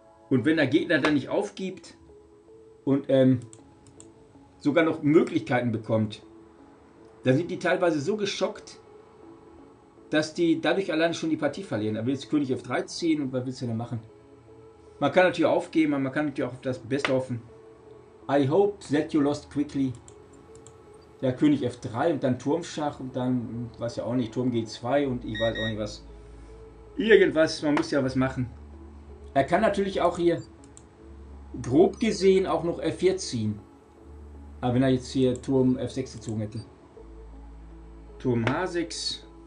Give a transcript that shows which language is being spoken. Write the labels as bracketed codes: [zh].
[de] Und wenn der Gegner dann nicht aufgibt und sogar noch Möglichkeiten bekommt, dann sind die teilweise so geschockt, dass die dadurch alleine schon die Partie verlieren. Er will jetzt König F3 ziehen und was willst du denn machen? Man kann natürlich aufgeben, aber man kann natürlich auch auf das Beste hoffen. [en] I hope that you lost quickly. [de] Ja, König F3 und dann Turmschach und dann, weiß ja auch nicht, Turm G2 und ich weiß auch nicht was. Irgendwas, man muss ja was machen. Er kann natürlich auch hier grob gesehen auch noch F4 ziehen. Aber wenn er jetzt hier Turm F6 gezogen hätte. Turm H6.